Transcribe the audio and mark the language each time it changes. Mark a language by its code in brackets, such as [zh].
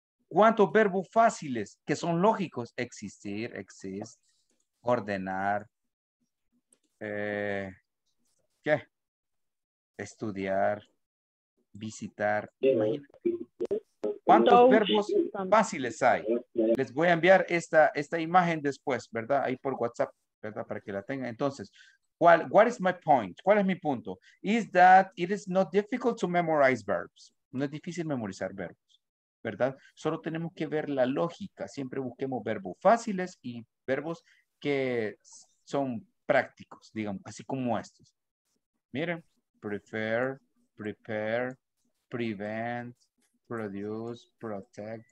[es] ¿Cuántos verbos fáciles que son lógicos? Existir, exist, ordenar, ¿qué? Estudiar, visitar. ¿Cuántos verbos fáciles hay? Les voy a enviar esta imagen después, ¿verdad? Ahí por WhatsApp, ¿verdad? Para que la tengan. Entonces, [en] what is my point? [es] ¿Cuál es mi punto? [en] Is that it is not difficult to memorize verbs. [es] No es difícil memorizar verbos, ¿verdad? Solo tenemos que ver la lógica. Siempre busquemos verbos fáciles y verbos que son prácticos, digamos, así como estos. Miren, [en] prefer, prepare, prevent, produce, protect.